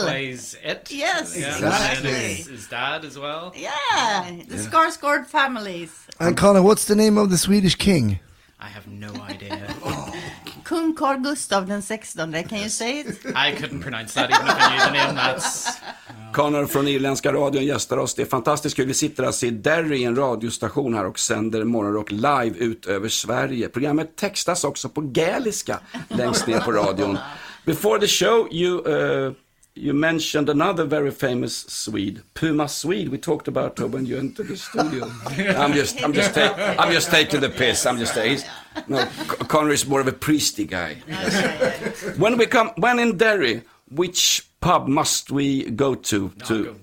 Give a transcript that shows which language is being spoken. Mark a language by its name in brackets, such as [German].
[English] He plays it. Yes, exactly. His dad as well. Yeah, Skarsgård families. And Connor, what's the name of the Swedish king? I have no idea. Kung Carl Gustav den 16, can you say it? I couldn't pronounce that even if I knew the name. That's... [Swedish] Connor från Irländska radion gästar oss. Det är fantastiskt kul. Vi sitter alltså i Derry, en radiostation här, och sänder Morgonrock live ut över Sverige. Programmet textas också på gaeliska längst ner på radion. [English] Before the show, you you mentioned another very famous Swede, Puma Swede. We talked about her when you entered the studio. I'm just taking the piss. I'm just saying. No, Connor is more of a priesty guy. When in Derry, which pub must we go to?